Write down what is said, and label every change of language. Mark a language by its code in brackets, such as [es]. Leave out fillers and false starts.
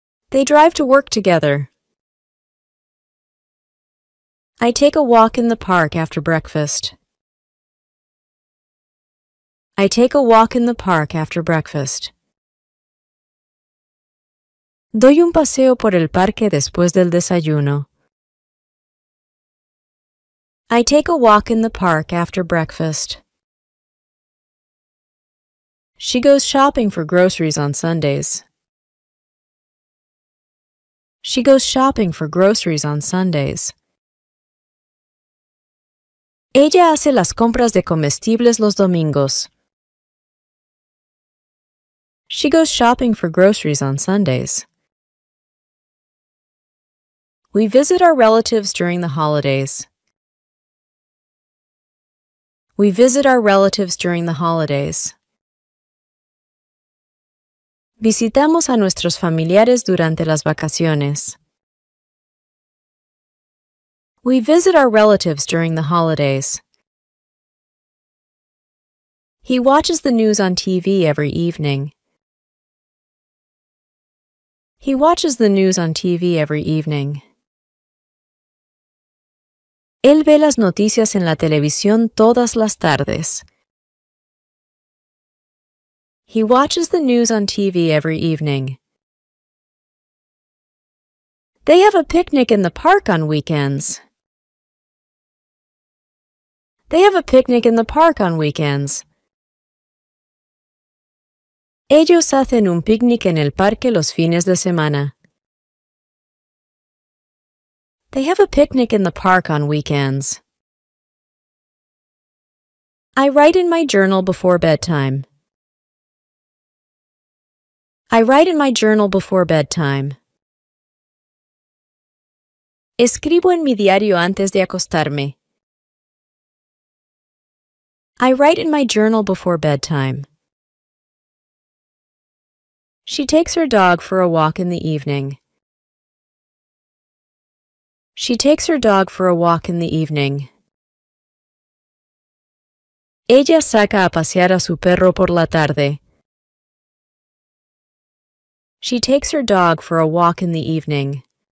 [en] They drive to work together. I take a walk in the park after breakfast. I take a walk in the park after breakfast. [es] Doy un paseo por el parque después del desayuno. [en] I take a walk in the park after breakfast. She goes shopping for groceries on Sundays. She goes shopping for groceries on Sundays. [es] Ella hace las compras de comestibles los domingos. [en] She goes shopping for groceries on Sundays. We visit our relatives during the holidays. We visit our relatives during the holidays. [es] Visitamos a nuestros familiares durante las vacaciones. [en] We visit our relatives during the holidays. He watches the news on TV every evening. He watches the news on TV every evening. [es] Él ve las noticias en la televisión todas las tardes. [en] He watches the news on TV every evening. They have a picnic in the park on weekends. They have a picnic in the park on weekends. [es] Ellos hacen un picnic en el parque los fines de semana. [en] They have a picnic in the park on weekends. I write in my journal before bedtime. I write in my journal before bedtime. [es] Escribo en mi diario antes de acostarme. [en] I write in my journal before bedtime. She takes her dog for a walk in the evening. She takes her dog for a walk in the evening. [es] Ella saca a pasear a su perro por la tarde. [en] She takes her dog for a walk in the evening.